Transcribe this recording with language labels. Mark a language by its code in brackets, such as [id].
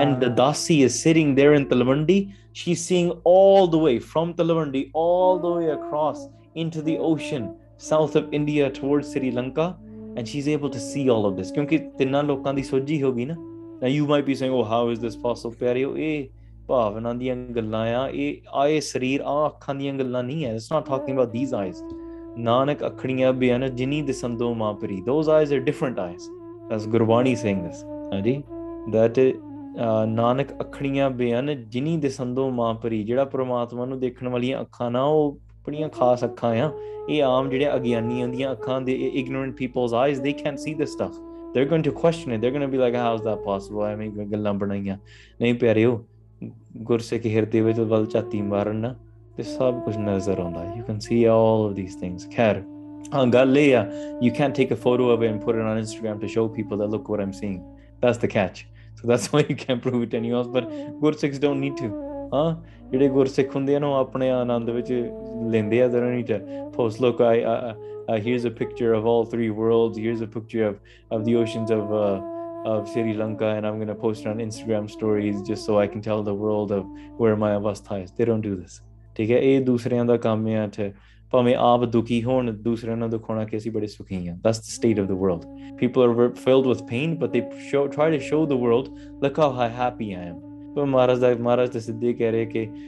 [en] And the Dasi is sitting there in Talwandi. She's seeing all the way from Talwandi, all the way across into the ocean, south of India towards Sri Lanka. And she's able to see all of this. [pa] Kyunki tinna lokan di sojhi hogi na. [en] Now you might be saying, oh, how is this possible? [pa] Pyareyo, eh. ਭਾਵਨਾ ਦੀਆਂ ਗੱਲਾਂ ਆ, ਇਹ ਆਏ ਸਰੀਰ ਆ ਅੱਖਾਂ ਦੀਆਂ ਗੱਲਾਂ ਨਹੀਂ ਹੈ. [en] It's not talking about these eyes. [pa] Nanak ਅੱਖੜੀਆਂ ਬਿਆਨ ਜਿਨੀ ਦਿਸੰਦੋ ਮਾਂ ਪਰੀ, [en] Those eyes are different eyes. That's Gurbani saying this. [pa] ਹਾਂਜੀ, ਦੈਟ ਨਾਨਕ ਅੱਖੜੀਆਂ ਬਿਆਨ ਜਿਨੀ ਦਿਸੰਦੋ ਮਾਂ ਪਰੀ, ਜਿਹੜਾ ਪਰਮਾਤਮਾ ਨੂੰ ਦੇਖਣ ਵਾਲੀਆਂ ਅੱਖਾਂ ਨਾ, ਉਹ ਬੜੀਆਂ ਖਾਸ ਅੱਖਾਂ ਆ. ਇਹ ਆਮ ਜਿਹੜੇ ਅਗਿਆਨੀਆਂ ਦੀਆਂ ਅੱਖਾਂ ਦੇ, [en] Ignorant people's eyes, they can't see this stuff. They're going to question it, they're going to be like, how is that possible, [pa] ਐਵੇਂ ਗੱਲਾਂ ਬਣਾਈਆਂ. ਨਹੀਂ ਪਿਆਰਿਓ, ਗੁਰਸਿੱਖ ਹਿਰਦੇ ਵਿੱਚ ਵੱਲ ਝਾਤੀ ਮਾਰਨ ਨਾ, ਤੇ ਸਭ ਕੁਝ ਨਜ਼ਰ ਆਉਂਦਾ. [en] You can see all of these things. [pa] ਖੈਰ, ਹਾਂ, ਗੱਲ ਇਹ ਆ, [en] You can take a photo of it and put it on Instagram to show people that look what I am seeing. That's the catch. So that's why you can't prove it anyways. But Gursikhs don't need to. Huh? [pa] ਜਿਹੜੇ ਗੁਰਸਿੱਖ ਹੁੰਦੇ ਆ ਨਾ ਉਹ ਆਪਣੇ ਆਨੰਦ ਵਿੱਚ ਲੈਂਦੇ ਆ ਜ਼ਰਾ ਨਹੀਂ [en] ਫੋਸ ਲੋਕ ਆਈ ਹੀਅਰਜ਼ a picture of all three world's ਹੀਅਰਜ਼ a picture off off the oceans off off Sri Lanka and I'm going to post on Instagram stories just so I can tell the world of wear ਮਾਈ ਅਵਸਥਾ is they don't do this [pa] ਠੀਕ ਹੈ ਇਹ ਦੂਸਰਿਆਂ ਦਾ ਕੰਮ ਆ ਤੇ ਭਾਵੇਂ ਆਪ ਦੁਖੀ ਹੋਣ ਦੂਸਰਿਆਂ ਨੂੰ ਦਿਖਾਉਣਾ ਕਿ ਅਸੀਂ ਬੜੇ ਸੁਖੀ ਹਾਂ [en] that's the state of the world people are filled with pain but they show try to show the world look how high happy I am [pa] ਮਹਾਰਾਜ ਤੇ ਸਿੱਧੇ ਕਹਿ ਰਹੇ ਕਿ